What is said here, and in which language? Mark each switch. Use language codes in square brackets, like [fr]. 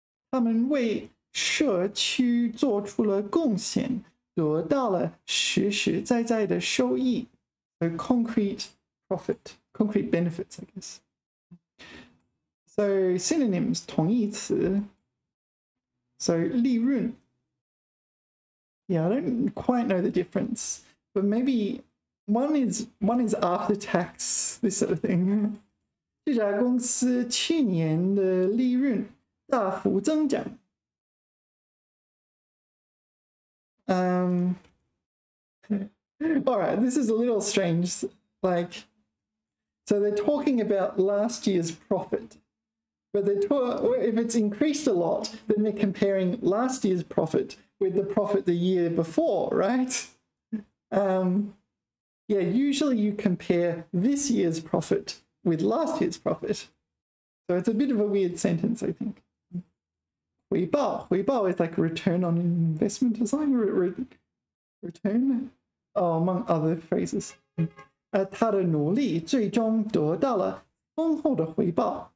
[zh] 他们为社区做出了贡献, 得到了实实在在的收益, [en] a concrete profit, concrete benefits, I guess. So synonyms, 同义词, so 利润. Yeah, I don't quite know the difference, but maybe one is after tax, this sort of thing. [zh] 这家公司去年的利润大幅增长. [en] All right, this is a little strange. Like, so they're talking about last year's profit. But if it's increased a lot, then they're comparing last year's profit with the profit the year before, right? Yeah, usually you compare this year's profit with last year's profit. So it's a bit of a weird sentence, I think. Weibao is like a return on investment, is that return? Oh, among other phrases. [zh] 他的努力最终得到了丰厚的回报.